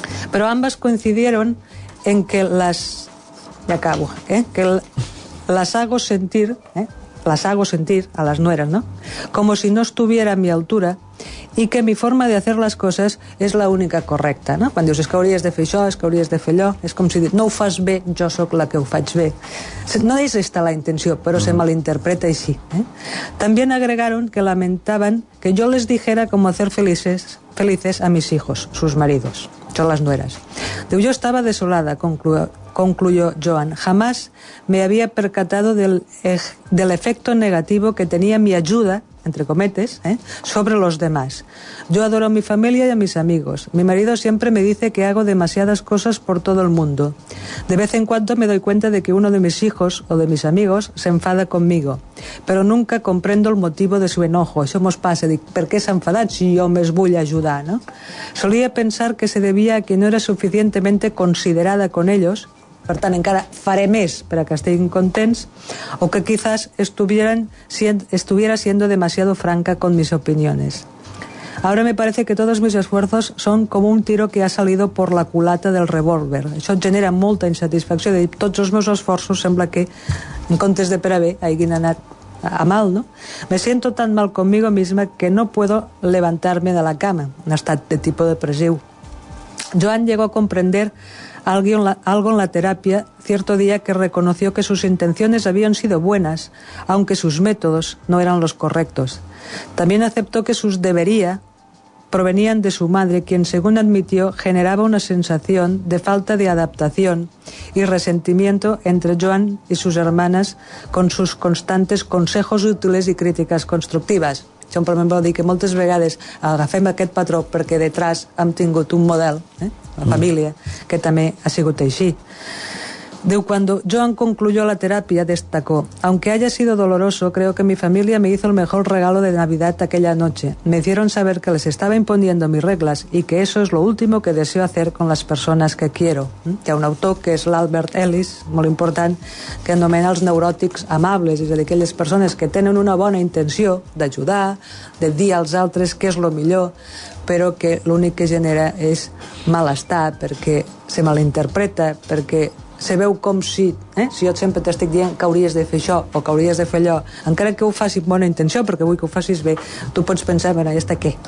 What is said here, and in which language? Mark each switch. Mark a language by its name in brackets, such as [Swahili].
[Spanish] Però ambas coincidieron en que las... Ya acabo, Que las hago sentir, Las hago sentir a las nueras, ¿no? Como si no estuviera a mi altura y que mi forma de hacer las cosas es la única correcta, ¿no? [Catalan] Quan dius, es que hauries de fer això, es que hauries de fer allò, és com si dius, no ho fas bé, jo sóc la que ho faig bé. No és esta la intenció, però se malinterpreta així, [Spanish] También agregaron que lamentaban que yo les dijera cómo hacer felices a mis hijos, sus maridos, son las nueras. Diu, yo estaba desolada, concluyó Joan, jamás me había percatado del efecto negativo que tenía mi ayuda, [Catalan] entre cometes, [Spanish] sobre los demás. Yo adoro a mi familia y a mis amigos. Mi marido siempre me dice que hago demasiadas cosas por todo el mundo. De vez en cuando me doy cuenta de que uno de mis hijos o de mis amigos se enfada conmigo, pero nunca comprendo el motivo de su enojo. [Catalan] Això mos passa, dic, ¿per què s'ha enfadat si jo més vull ajudar, no? [Spanish] Solía pensar que se debía a que no era suficientemente considerada con ellos, [Catalan] per tant, encara faré més perquè estiguin contents, [Spanish] o que quizás estuviera siendo demasiado franca con mis opiniones. Ahora me parece que todos mis esfuerzos son como un tiro que ha salido por la culata del revólver. [Catalan] Això genera molta insatisfacció, de dir, tots els meus esforços sembla que, en comptes de per a bé, hagin anat a mal, ¿no? [Spanish] Me siento tan mal conmigo misma que no puedo levantarme de la cama. [Catalan] Un estat de tipus depressiu. [Spanish] Joan llegó a comprender algo en la terapia cierto día que reconoció que sus intenciones habían sido buenas, aunque sus métodos no eran los correctos. También aceptó que sus debería provenían de su madre, quien, según admitió, generaba una sensación de falta de adaptación y resentimiento entre Joan y sus hermanas con sus constantes consejos útiles y críticas constructivas. [Catalan] Això, per exemple, dir que moltes vegades agafem aquest patró perquè detrás hem tingut un model, la família, que també ha sigut així. [Spanish] Diu, cuando Joan concluyó la terapia, destacó, aunque haya sido doloroso, creo que mi familia me hizo el mejor regalo de Navidad aquella noche. Me hicieron saber que les estaba imponiendo mis reglas y que eso es lo último que deseo hacer con las personas que quiero. [Catalan] Hi ha un autor, que és l'Albert Ellis, molt important, que anomena els neuròtics amables, és a dir, aquelles persones que tenen una bona intenció d'ajudar, de dir als altres què és el millor, però que l'únic que genera és malestar, perquè se malinterpreta, perquè se veu com si, si jo sempre t'estic dient que hauries de fer això o que hauries de fer allò, encara que ho faci amb bona intenció, perquè vull que ho facis bé, tu pots pensar, bueno, aquesta què?